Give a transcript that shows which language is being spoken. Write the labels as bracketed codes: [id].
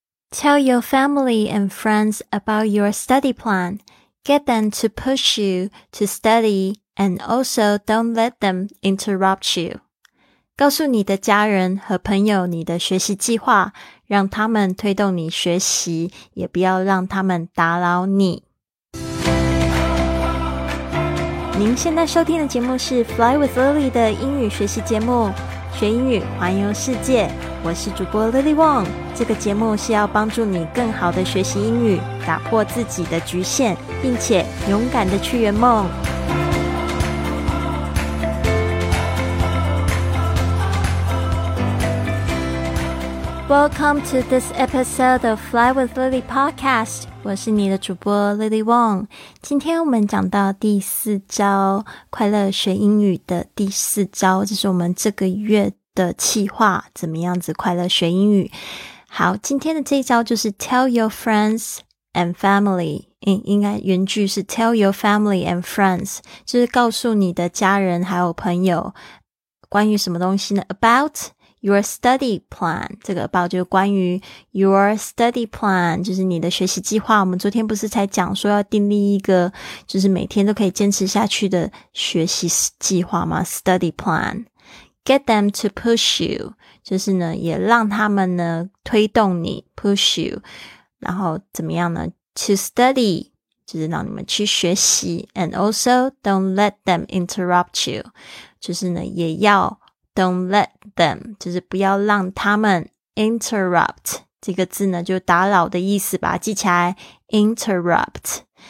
[en] Tell your family and friends about your study plan. Get them to push you to study and also don't let them interrupt you. [zh] 告诉你的家人和朋友你的学习计划，让他们推动你学习，也不要让他们打扰你。您现在收听的节目是 Fly with Lily 的英语学习节目，学英语环游世界，我是主播 Lily Wong。这个节目是要帮助你更好的学习英语，打破自己的局限，并且勇敢的去圆梦。 [en] Welcome to this episode of Fly with Lily Podcast. [zh] 我是你的主播 Lily Wong. 今天我们讲到第四招，快乐学英语的第四招，这是我们这个月的企划，怎么样子快乐学英语。好，今天的这一招就是 Tell your friends and family. 应该原句是 Tell your family and friends, 就是告诉你的家人还有朋友关于什么东西呢？ About your study plan, 这个 about 就是关于 your study plan, 就是你的学习计划。我们昨天不是才讲说要订立一个就是每天都可以坚持下去的学习计划吗？ study plan。 Get them to push you, 就是呢也让他们呢推动你 push you, 然后怎么样呢 to study, 就是让你们去学习 and also don't let them interrupt you, 就是呢也要 don't let them, 就是不要让他们 interrupt, 这个字呢就打扰的意思吧，记起来 interrupt